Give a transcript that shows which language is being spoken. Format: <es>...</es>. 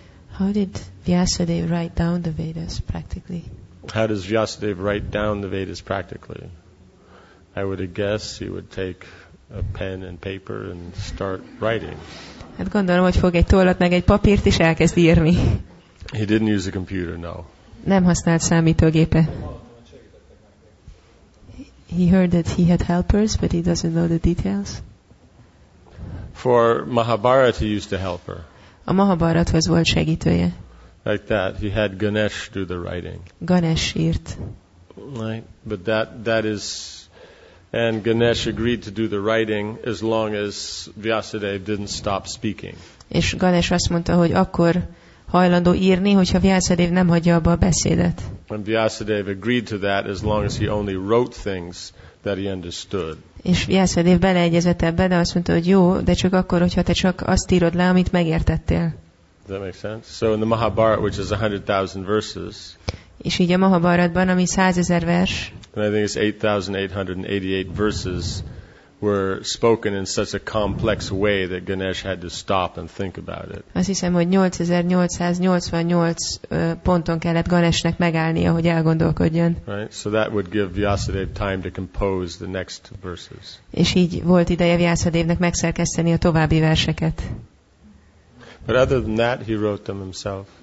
<en>How did Vyasadeva write down the Vedas practically? How does Vyasadeva write down the Vedas practically? I would guess he would take a pen and paper and start writing.</en> <hu>Hát gondolom, hogy fog egy tollat meg egy papírt is elkezd írni.</hu> <en>He didn't use a computer, no.</en> <hu>Nem használt számítógépe.</hu> <en>He heard that he had helpers, but he doesn't know the details. For Mahabharata, he used a helper.</en> <hu>A Mahabharathoz volt segítője.</hu> <en>Like that, he had Ganesh do the writing.</en> <hu>Ganesh írt.</hu> <en>Right, but that is. And Ganesh agreed to do the writing as long as Vyasadeva didn't stop speaking.</en> <hu>És Ganesh azt mondta, hogy akkor hajlandó írni, hogyha Vyasadeva nem hagyja abba a beszédet.</hu> <en>And Vyasadeva agreed to that as long as he only wrote things that he understood.</en> <hu>És Vyasadeva beleegyezett ebbe, de azt mondta, hogy jó, de csak akkor, hogyha te csak azt írod le, amit megértettél.</hu> <en>Does that make sense? So in the Mahabharata, which is 100,000 verses.</en> <hu>És így a Mahabharatban, ami 100,000 vers.</hu> <en>And I think it's 8,888 verses were spoken in such a complex way that Ganesh had to stop and think about it.</en> <hu>Azt hiszem, hogy 8,888 ponton kellett Ganesnek megállnia, hogy elgondolkodjon.</hu> <en>Right, so that would give Vyasadeva time to compose the next verses.</en> <hu>És így volt ideje Vyasadevnek megszerkeszteni a további verseket.</hu> <en>But other than that, he wrote them himself.</en>